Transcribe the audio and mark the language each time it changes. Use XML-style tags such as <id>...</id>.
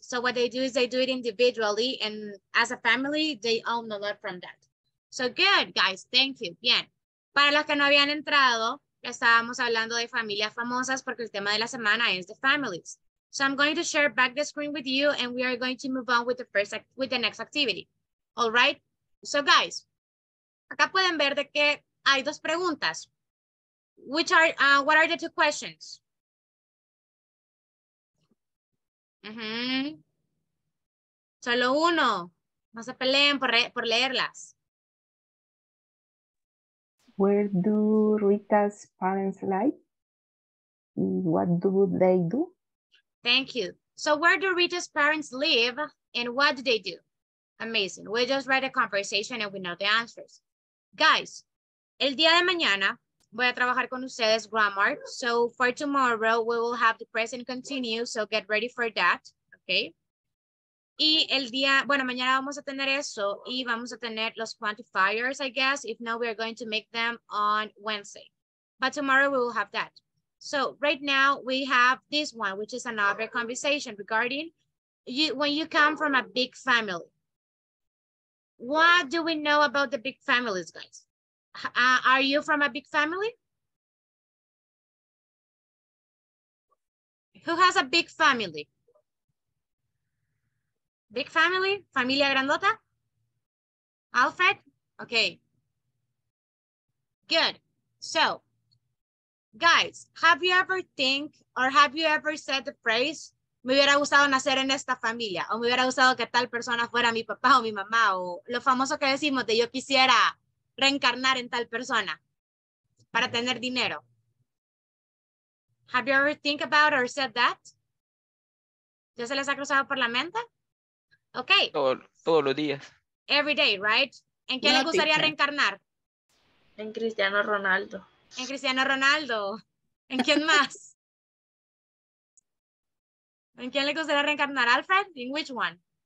<en>So what they do is they do it individually. And as a family, they own a lot from that. So good, guys. Thank you. Bien.</en> <es>Para los que no habían entrado, ya estábamos hablando de familias famosas porque el tema de la semana es</es> <en>the families. So I'm going to share back the screen with you and we are going to move on with the first with the next activity. All right? So guys,</en> <es>acá pueden ver de que hay dos preguntas.</es> <en>Which are what are the two questions?</en> <es>Solo uno. No se peleen por leerlas.</es> <en>Where do Rita's parents live? What do they do? Thank you. So where do Rita's parents live and what do they do? Amazing. We just write a conversation and we know the answers.</en> <es>Guys, el día de mañana voy a trabajar con ustedes grammar.</es> <en>So for tomorrow, we will have the present continue. So get ready for that. Okay.</en> <es>Y el día, bueno, mañana vamos a tener eso y vamos a tener los quantifiers,</es> <en>I guess. If not, we are going to make them on Wednesday. But tomorrow we will have that. So right now we have this one, which is another conversation regarding you when you come from a big family. What do we know about the big families, guys? Are you from a big family? Who has a big family? Big family?</en> <es>Familia grandota?</es> <en>Alfred? Okay. Good. So, guys, have you ever think or have you ever said the phrase,</en> <es>me hubiera gustado nacer en esta familia? O me hubiera gustado que tal persona fuera mi papá o mi mamá? O lo famoso que decimos de yo quisiera reencarnar en tal persona para tener dinero.</es> <en>Have you ever think about or said that?</en> <es>¿Ya se les ha cruzado por la mente?</es> <en>Okay.</en> <es>Todos los días.</es> <en>Every day, right?</en> <es>¿En qué le gustaría reencarnar? En Cristiano Ronaldo. En Cristiano Ronaldo. ¿En quién más? ¿En quién le gustaría reencarnar, Alfred? ¿En</es> <en>which one?</en>